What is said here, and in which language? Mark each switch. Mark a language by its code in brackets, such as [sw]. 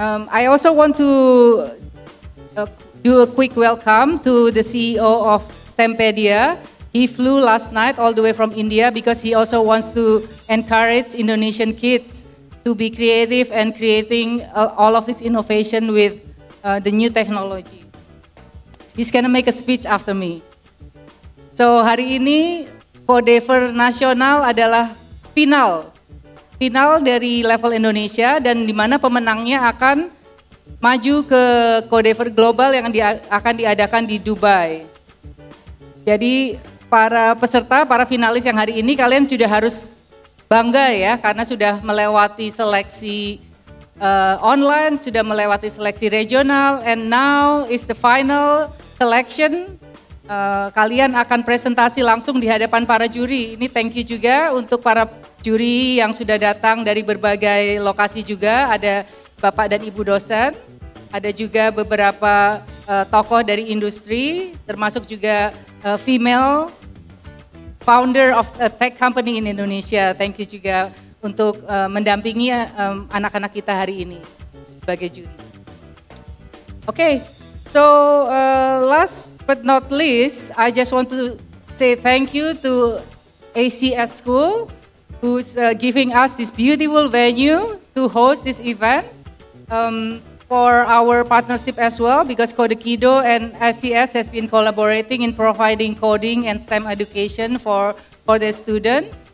[en] I also want to do a quick welcome to the CEO of Stempedia. He flew last night all the way from India because he also wants to encourage Indonesian kids to be creative and creating all of this innovation with the new technology. He's gonna make a speech after me. [id] So hari ini Codever Nasional adalah final dari level Indonesia dan di mana pemenangnya akan maju ke Codever Global yang akan diadakan di Dubai. Jadi para peserta, para finalis yang hari ini kalian sudah harus bangga ya karena sudah melewati seleksi online, sudah melewati seleksi regional [en] and now is the final selection. [id] Kalian akan presentasi langsung di hadapan para juri. Ini thank you juga untuk para juri yang sudah datang dari berbagai lokasi juga. Ada Bapak dan Ibu dosen, ada juga beberapa tokoh dari industri, termasuk juga [en] female founder of a tech company in Indonesia. [id] Thank you juga untuk mendampingi anak-anak kita hari ini sebagai juri. [en] Okay, so last but not least, I just want to say thank you to ACS School who's giving us this beautiful venue to host this event for our partnership as well because Codekido and ACS has been collaborating in providing coding and STEM education for the student.